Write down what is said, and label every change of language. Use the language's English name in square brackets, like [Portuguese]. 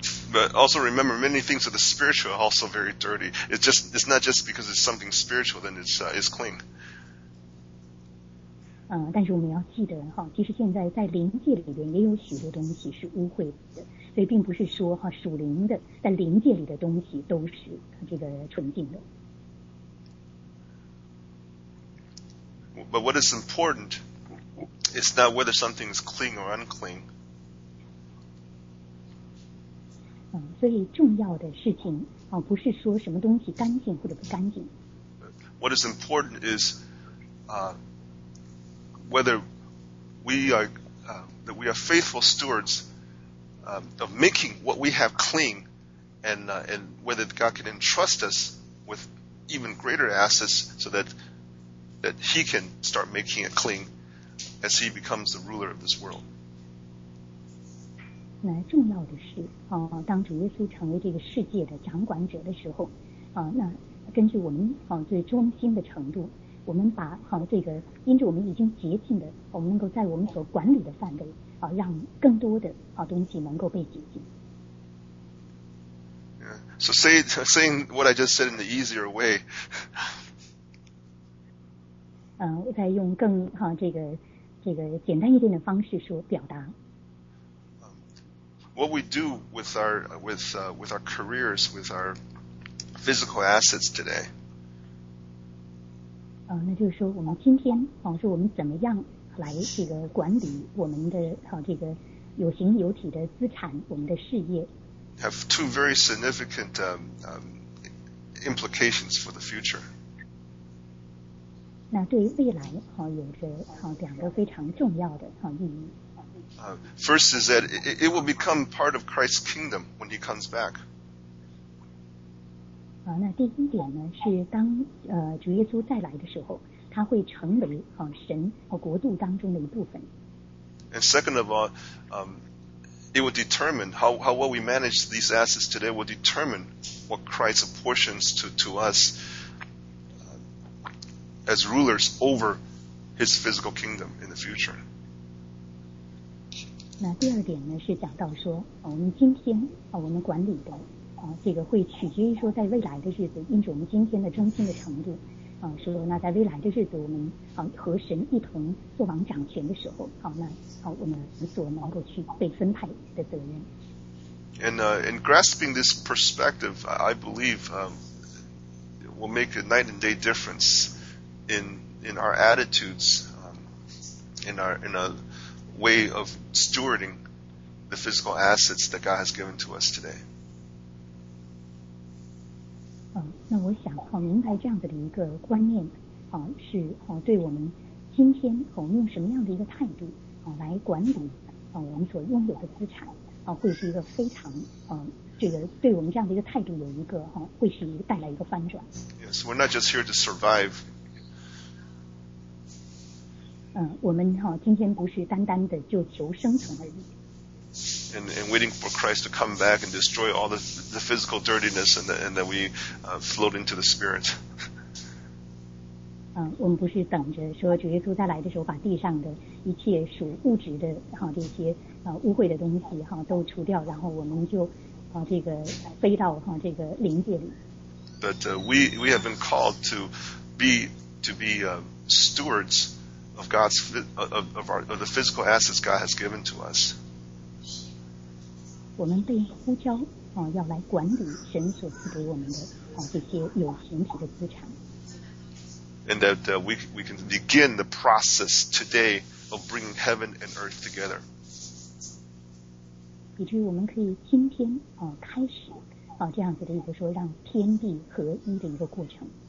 [English] But also remember, many things of the spiritual are also very dirty. It's not just because it's something spiritual, then it's clean. [Chinese] 但是我们要记得即使现在在灵界里边也有许多东西是污秽的，所以并不是说属灵的在灵界里的东西都是这个纯净的。 [English] But what is important is not whether something is clean or unclean. [Chinese] 所以重要的事情不是说什么东西干净或者不干净。 [English] What is important is whether we are that we are faithful stewards of making what we have clean, and whether God can entrust us with even greater assets so that He can start making it clean as He becomes the ruler of this world. [Chinese] 那重要的是当主耶稣成为这个世界的掌管者的时候那根据我们最忠心的程度，我们把这个因着我们已经洁净的，我们能够在我们所管理的范围让更多的东西能够被洁净。 [English] So saying what I just said in the easier way. [Chinese] 我再用更这个简单一点的方式说表达。 [English] What we do with our careers, with our physical assets today. [Chinese] 那就是说我们今天，是我们怎么样，来这个管理我们的这个有形有体的资产，我们的事业。 [English] Have two very significant implications for the future. [Chinese] 那对于未来有着两个非常重要的意义。 [English] First is that it will become part of Christ's kingdom when he comes back. [Chinese] 那第一点呢，是当主耶稣再来的时候，他会成为神和国度当中的一部分。 [English] And second of all, it will determine how well we manage these assets today will determine what Christ apportions to us as rulers over his physical kingdom in the future. [Chinese] 那第二点呢，是讲到说我们今天我们管理的这个会取决于说在未来的日子，因着我们今天的忠心的程度说那在未来的日子，我们和神一同作王掌权的时候，我们所能够去被分配的责任。 [English] And in grasping this perspective, I believe it will make a night and day difference in our attitudes, in a way of stewarding the physical assets that God has given to us today. [Chinese] 那我想明白这样子的一个观念是对我们今天用什么样的一个态度来管理我们所拥有的资产会是一个非常这个对我们这样的一个态度有一个会是一个带来一个翻转。 [English] Yes, we're not just here to survive. [Chinese] 我们今天不是单单的就求生存而已。 [English] And waiting for Christ to come back and destroy all the physical dirtiness and that we float into the spirit. [Chinese] 我们不是等着说主耶稣再来的时候把地上的一切属物质的这些污秽的东西都除掉，然后我们就这个飞到这个灵界里。 [English] But we have been called to be stewards of God's of the physical assets God has given to us. [Chinese] 我们被呼召要来管理神所赐给我们的这些有形体的资产。 [English] And that we can begin the process today of bringing heaven and earth together. [Chinese] 以至于我们可以今天开始这样子的一个说让天地合一的一个过程。